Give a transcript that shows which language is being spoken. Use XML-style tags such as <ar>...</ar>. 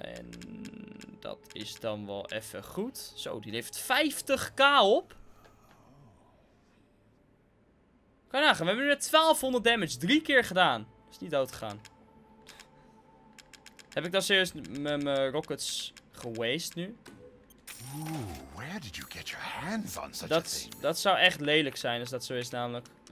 <nl>En dat is dan wel even goed. Zo, die levert 50.000 op. Kan je nagaan. We hebben nu net 1200 damage. 3 keer gedaan. Is niet dood gegaan. Heb ik dan serieus mijn rockets gewaste nu?</nl> <en>Ooh, where did you get your hands on such</en> <nl>dat,</nl> <en>a thing?</en> <nl>Dat zou echt lelijk zijn als dat zo is namelijk.</nl>